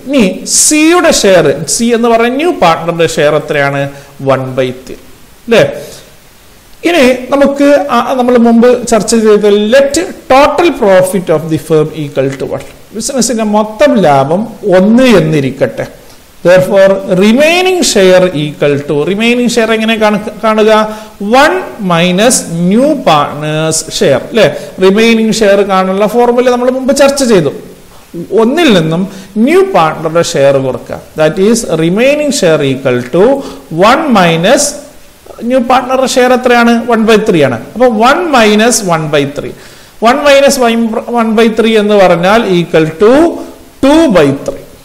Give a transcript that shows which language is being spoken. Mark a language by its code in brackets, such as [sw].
[ml] ഇനി സിയുടെ share, C എന്ന് പറഞ്ഞ ന്യൂ പാർട്ണറുടെ ഷെയർ എത്രയാണ്, 1/3 അല്ലെ. ഇനി നമുക്ക് നമ്മൾ മുമ്പ് ചർച്ച ചെയ്ത [en] let total profit of the firm equal to 1, [ml] ബിസിനസിന്റെ മൊത്തം ലാഭം 1 എന്നിരിക്കട്ടെ. [en] Therefore, remaining share equal to, remaining share [ml] എങ്ങനെ കാണുക, [en] 1 - new partner's share അല്ലേ. [ml] റിമൈനിങ് ഷെയർ കാണാനുള്ള ഫോർമുല നമ്മൾ മുമ്പ് ചർച്ച ചെയ്തു, ഒന്നിൽ നിന്നും ന്യൂ പാർട്ണറുടെ ഷെയർ കുറക്കുക, [en] that is remaining share equal to [ml] 1 - new പാർട്ണറുടെ share എത്രയാണ്, 1/3 ആണ്. അപ്പൊ 1 - 1/3, 1 - 1/3 എന്ന് പറഞ്ഞാൽ ഈക്വൽ ടു 2/3.